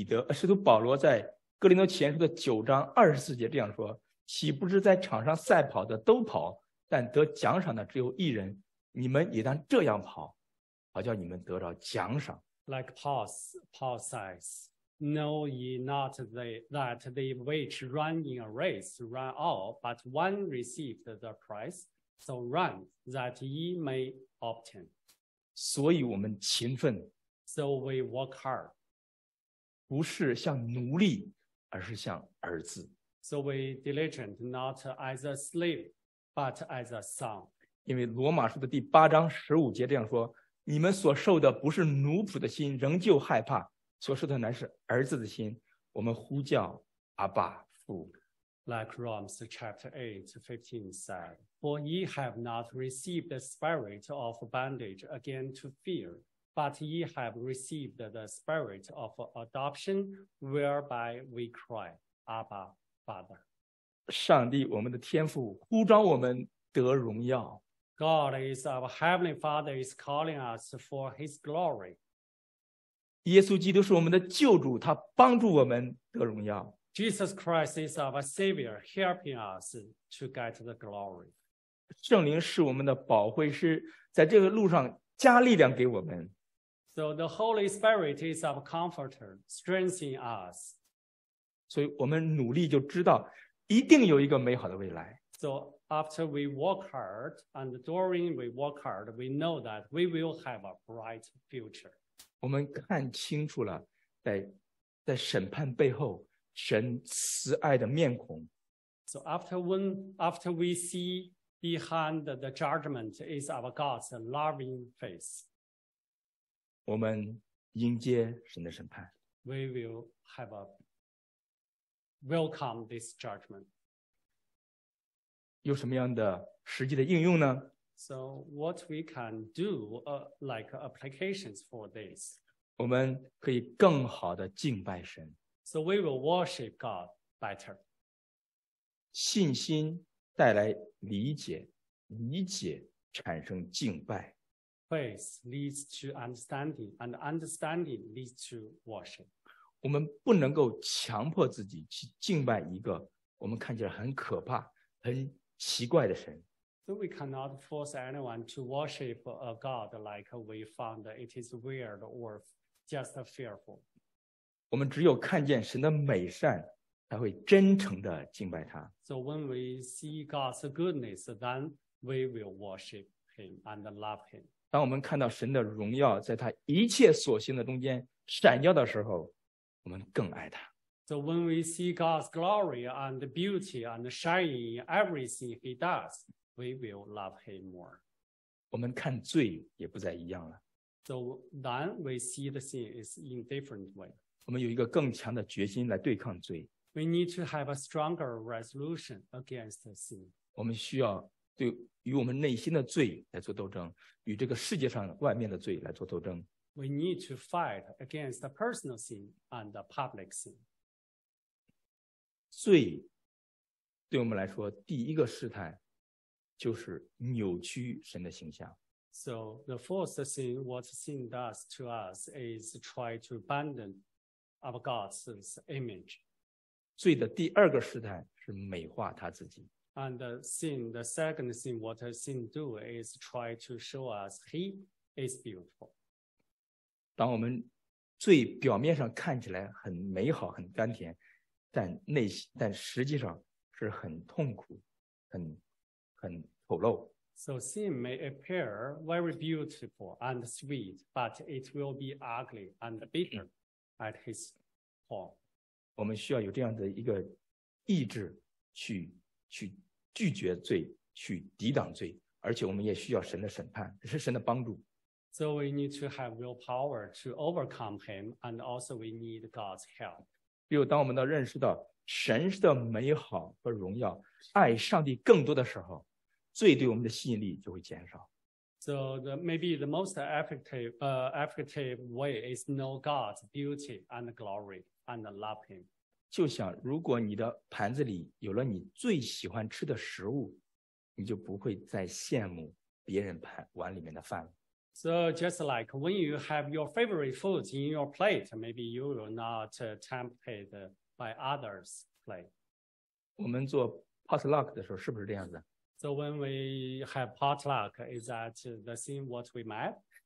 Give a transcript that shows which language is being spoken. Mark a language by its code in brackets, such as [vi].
[zh] 使徒保罗在哥林多前书的九章二十四节这样说：岂不知在场上赛跑的都跑，但得奖赏的只有一人。你们也当这样跑，好叫你们得着奖赏。 [en] Like Paul says, know ye not that they which run in a race run all, but one received the prize? So run that ye may obtain. [zh] 所以我们勤奋。 [en] So we work hard. [zh] 不是像奴隶，而是像儿子。 [en] So we diligent not as a slave, but as a son. [zh] 因为罗马书的第八章十五节这样说：你们所受的不是奴仆的心，仍旧害怕，所受的乃是儿子的心，我们呼叫阿爸父。 [en] Like Romans chapter 8:15 said, for ye have not received the spirit of bondage again to fear, but ye have received the spirit of adoption, whereby we cry, Abba, Father. [zh] 上帝，我们的天父，呼召我们得荣耀。 [en] God is our heavenly Father is calling us for His glory. [zh] 耶稣基督是我们的救主，他帮助我们得荣耀。 [en] Jesus Christ is our Savior, helping us to get the glory. [zh] 圣灵是我们的保惠师，在这个路上加力量给我们。 [en] So the Holy Spirit is our comforter, strengthening us. [zh] 所以我们努力就知道，一定有一个美好的未来。 [en] So after we work hard, and during we work hard, we know that we will have a bright future. [zh] 我们看清楚了，在审判背后神慈爱的面孔。 [en] So after we see behind the judgment is our God's loving face. [zh] 我们迎接神的审判。 [en] We will have a welcome this judgment. [zh] 有什么样的实际的应用呢？ [en] So what we can do, like applications for this. [zh] 我们可以更好的敬拜神。 [en] So we will worship God better. [zh] 信心带来理解，理解产生敬拜。 [en] Faith leads to understanding, and understanding leads to worship. [zh] 我们不能够强迫自己去敬拜一个我们看起来很可怕、很奇怪的神。 [en] So we cannot force anyone to worship a God like we found it is weird or just fearful. [zh] 我们只有看见神的美善，才会真诚地敬拜他。 [en] So when we see God's goodness, then we will worship Him and love Him. [zh] 当我们看到神的荣耀在他一切所行的中间闪耀的时候，我们更爱他。 [en] So when we see God's glory and beauty and shining in everything He does, we will love Him more. [zh] 我们看罪也不再一样了。 [en] So then we see the sin is in different way. [zh] 我们有一个更强的决心来对抗罪。 [en] We need to have a stronger resolution against sin. [zh] 我们需要对与我们内心的罪来做斗争，与这个世界上外面的罪来做斗争。 [en] We need to fight against the personal sin and the public sin. [zh] 罪对我们来说，第一个试探就是扭曲神的形象。 [en] So the first thing what sin does to us is try to abandon. Of God's image. [zh] 罪的第二个试探是美化他自己。 [en] And sin, the second sin, what sin do is try to show us he is beautiful. [zh] 当我们罪表面上看起来很美好、很甘甜，但实际上是很痛苦、很丑陋。 [en] So sin may appear very beautiful and sweet, but it will be ugly and bitter. At his home. [zh] 我们需要有这样的一个意志去拒绝罪，去抵挡罪，而且我们也需要神的审判，这是神的帮助。 [en] So we need to have willpower to overcome him, and also we need God's help. [zh] 比如当我们能认识到神的美好和荣耀，爱上帝更多的时候，罪对我们的吸引力就会减少。 [en] So the, maybe the most effective way is know God's beauty and glory and love Him. [zh] 就像如果你的盘子里有了你最喜欢吃的食物，你就不会再羡慕别人盘碗里面的饭了。 [en] So just like when you have your favorite foods in your plate, maybe you will not tempted by others' plate. [zh] 我们做 potluck 的时候是不是这样子？ [en] So when we have potluck, is that the same what we met?